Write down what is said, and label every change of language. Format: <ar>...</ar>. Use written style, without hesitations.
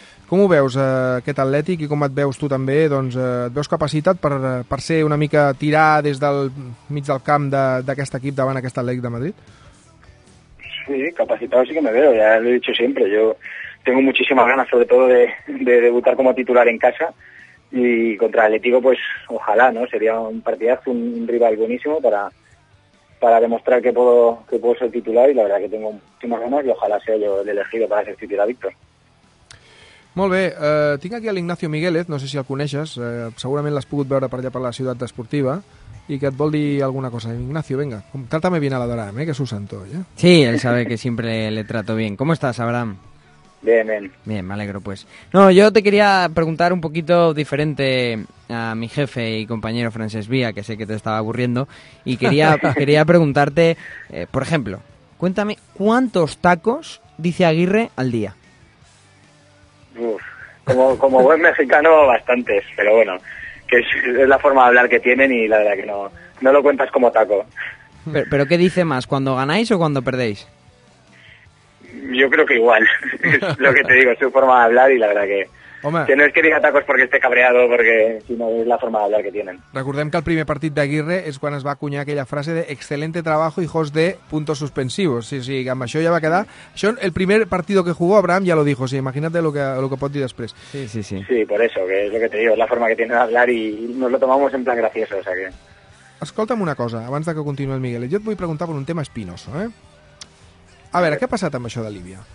<ca>Com ho veus, aquest Atlètic, i com et veus tu també? Doncs et veus capacitat per ser una mica tirar des del mig del camp d'aquest equip davant aquest Atlètic de Madrid?</ca> <es>Sí, capacitado sí que me veo, ya lo he dicho siempre, yo tengo muchísimas ganas sobre todo de debutar como titular en casa y contra Atlético pues ojalá, ¿no? Sería un partidazo, un rival buenísimo para demostrar que puedo ser titular y la verdad que tengo muchísimas ganas y ojalá sea yo el elegido para ser titular, Víctor.</es> <ca>Molt bé, tinc aquí l'Ignacio Miguelet, no sé si el coneixes, segurament l'has pogut veure per allà per la ciutat esportiva. Y que te vol dir alguna cosa.</ca> <es>Ignacio, venga, trátame bien a la Doram, que es un santo. ¿Eh? Sí, él sabe que siempre le trato bien. ¿Cómo estás, Abraham? Bien, me alegro, pues. No, yo te quería preguntar un poquito diferente a mi jefe y compañero Francesc Via, que sé que te estaba aburriendo, y quería preguntarte, por ejemplo, cuéntame, ¿cuántos tacos dice Aguirre al día? Como buen mexicano, bastantes, pero bueno, que es la forma de hablar que tienen y la verdad que no lo cuentas como taco. ¿Pero qué dice más, cuando ganáis o cuando perdéis? Yo creo que igual, es lo que te digo, es su forma de hablar y la verdad</es> <ca>Home.</ca> <es>Que no es que diga tacos porque esté cabreado, porque sino es la forma de hablar que tienen.</es> <ca>Recordem que el primer partit d'Aguirre és quan es va acuñar aquella frase de</ca> <es>excelente trabajo, hijos de puntos suspensivos.</es> <ca>Sí, sí, amb això ja va quedar.</ca> <es>Això, el primer partido que jugó Abraham ja lo dijo, sí, imagínate lo que</es> <ca>pot dir després.</ca> <es>Sí, sí, sí. Sí, por eso, que es lo que te digo, es la forma que tienen de hablar y nos lo tomamos en plan gracioso, o sea que...</es> <ca>Escolta'm una cosa, abans de que continuï el Miguel, jo et vull preguntar per un tema espinoso, eh? A veure, què ha passat amb això de Líbia?</ca>